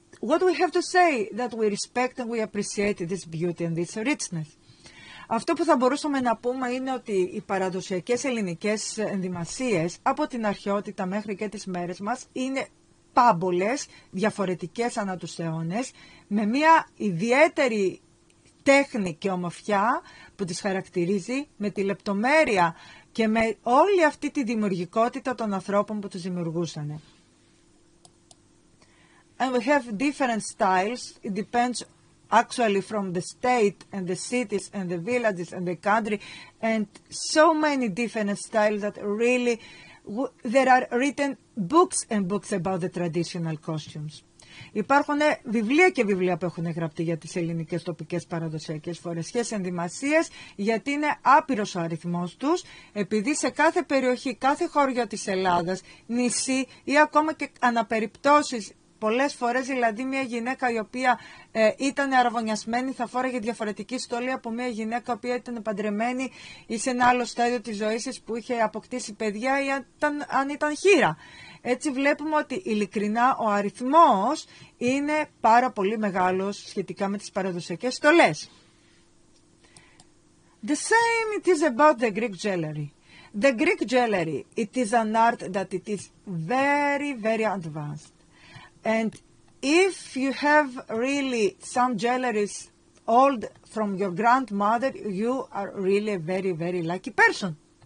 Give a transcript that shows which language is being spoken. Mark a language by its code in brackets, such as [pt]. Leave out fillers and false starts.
[en] What we have to say that we respect and we appreciate this beauty and this richness. [el] Αυτό που θα μπορούσαμε να πούμε είναι ότι οι παραδοσιακές ελληνικές ενδυμασίες από την αρχαιότητα μέχρι και τις μέρες μας είναι πάμπολες, διαφορετικές ανά τους αιώνες, με μια ιδιαίτερη τέχνη και ομορφιά που τις χαρακτηρίζει, με τη λεπτομέρεια και με όλη αυτή τη δημιουργικότητα των ανθρώπων που τους δημιουργούσαν. [en] And we have different styles, it depends actually from the state and the cities and the villages and the country and so many different styles that really, there are written books and books about the traditional costumes. [el] Υπάρχουν βιβλία και βιβλία που έχουν γραφτεί για τις ελληνικές τοπικές παραδοσιακές φορεσιές ενδυμασίες, γιατί είναι άπειρος ο αριθμός τους, επειδή σε κάθε περιοχή, κάθε χώριο της Ελλάδας, νησί ή ακόμα και αναπεριπτώσεις, πολλές φορές δηλαδή μια γυναίκα η οποία ήταν αραβωνιασμένη θα φόραγε διαφορετική στολή από μια γυναίκα η οποία ήταν παντρεμένη ή σε ένα άλλο στάδιο της ζωής της που είχε αποκτήσει παιδιά ή αν ήταν χείρα. Έτσι βλέπουμε ότι ειλικρινά ο αριθμός είναι πάρα πολύ μεγάλος σχετικά με τις παραδοσιακές στολές. [en] The same it is about the Greek jewelry. The Greek jewelry, it is an art that it is very, very advanced. And if you have really some jewelry old from your grandmother, you are really a very, very lucky person.